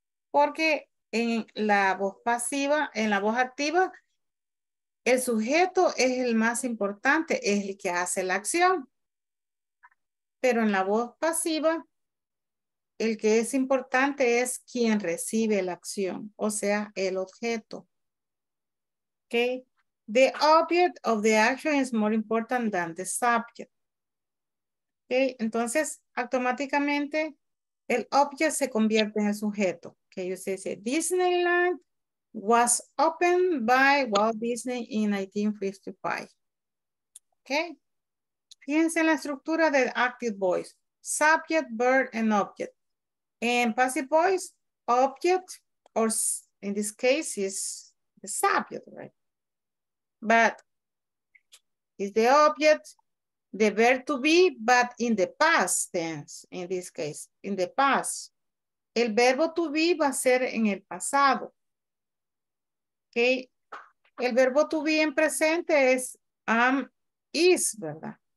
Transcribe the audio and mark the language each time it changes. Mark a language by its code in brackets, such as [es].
[es] Porque en la voz pasiva, en la voz activa, el sujeto es el más importante, es el que hace la acción. Pero en la voz pasiva, el que es importante es quien recibe la acción, o sea, el objeto. Okay. [en] The object of the action is more important than the subject. Okay. [es] Entonces, automáticamente, el object se convierte en el sujeto. [en] Okay. [es] Usted dice, [en] Disneyland was opened by Walt Disney in 1955. Okay. [es] Fíjense en la estructura del active voice. [en] Subject, verb, and object. And passive voice, object, or in this case is the subject, right? But is the object the verb to be, but in the past tense, in this case, in the past. [es] El verbo to be va a ser en el pasado. Okay. El verbo to be en presente es am, is, ¿verdad?